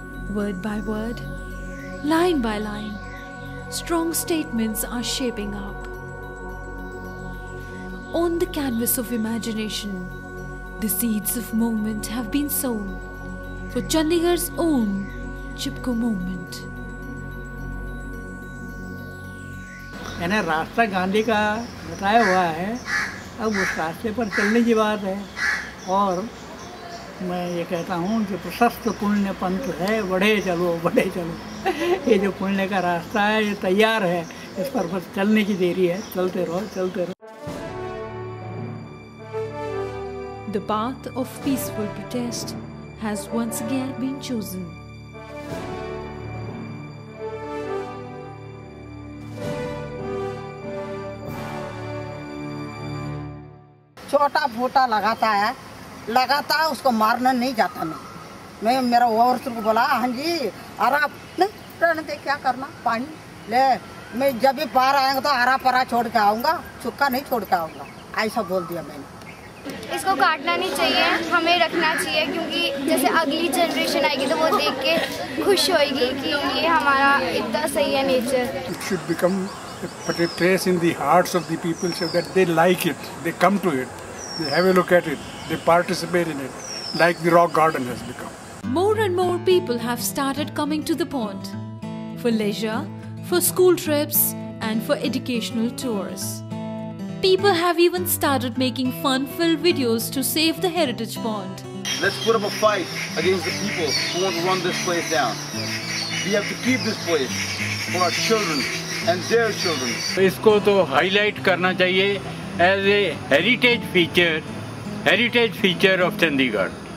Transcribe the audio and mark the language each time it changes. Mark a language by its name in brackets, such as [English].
[English] Word by word, line by line, strong statements are shaping up. On the canvas of imagination, the seeds of movement have been sown for Chandigarh's own Chipko movement. [Hindi] मैंने रास्ता गांधी का बताया हुआ है, अब उस रास्ते पर चलने की बात है. और मैं ये कहता हूँ कि प्रशस्त पुण्य पंथ है, बढ़े चलो. ये जो पुण्य का रास्ता है ये तैयार है, इस पर बस चलने की देरी है. चलते रहो, चलते रहो. [English] The path of peaceful protest has once again been chosen. [Hindi] छोटा फोटा लगाता है उसको मारना नहीं जाता. मैं मेरा ओवरसर को बोला, हाँ जी आरा नहीं दे क्या करना, पानी ले. मैं जब भी पार आएंगा तो आरा परा छोड़ के आऊँगा, चुक्का नहीं छोड़ के आऊँगा, ऐसा बोल दिया मैंने. इसको काटना नहीं चाहिए, हमें रखना चाहिए, क्योंकि जैसे अगली जनरेशन आएगी तो वो देख के खुश होगी कि ये हमारा इतना सही है nature. [English] It should become place in the hearts of the people so that they like it, they come to it, they have a look at it, they participate in it, like the rock garden has become. More and more people have started coming to the pond for leisure, for school trips and for educational tours. People have even started making fun-filled videos to save the heritage pond. Let's put up a fight against the people who want to run this place down. We have to keep this place for our children and their children. [Hindi] इसको तो highlight करना चाहिए [English] as a heritage feature of Chandigarh.